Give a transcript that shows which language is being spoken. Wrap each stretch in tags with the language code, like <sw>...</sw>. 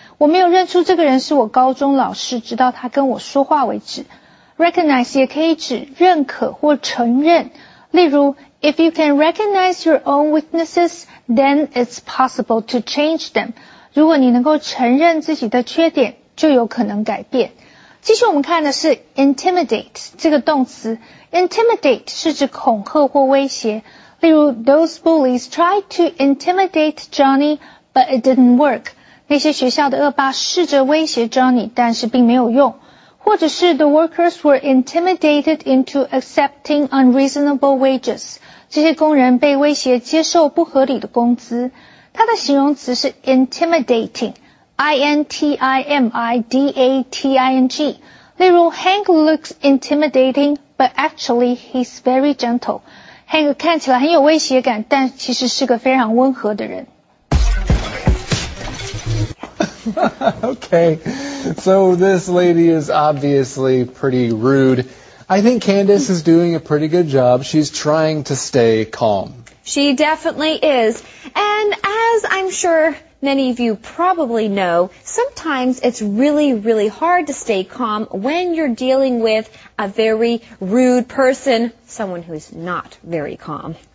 <zh>我没有认出这个人是我高中老师直到他跟我说话为止。 recognize 也可以指认可或承认。例如</zh> <en>If you can recognize your own weaknesses, then it's possible to change them.</en> <zh>如果你能够承认自己的缺点，就有可能改变。继续我们看的是 intimidate 这个动词。Intimidate 是指恐吓或威胁。例如</zh> <en>,those bullies tried to intimidate Johnny, but it didn't work.</en> <zh>那些学校的恶霸试着威胁 Johnny, 但是并没有用。或者是</zh> <en>the workers were intimidated into accepting unreasonable wages.</en> <zh>这些工人被威胁接受不合理的工资。它的形容词是 intimidating, I-N-T-I-M-I-D-A-T-I-N-G. 例如</zh> <en>Hank looks intimidating, but actually he's very gentle.</en> <zh>Hank 看起来很有威胁感，但其实是个非常温和的人。</zh> <en>Okay, so this lady is obviously pretty rude. I think Candace is doing a pretty good job. She's trying to stay calm. She definitely is. And as I'm sure many of you probably know, sometimes it's really, really hard to stay calm when you're dealing with a very rude person, someone who's not very calm.</en>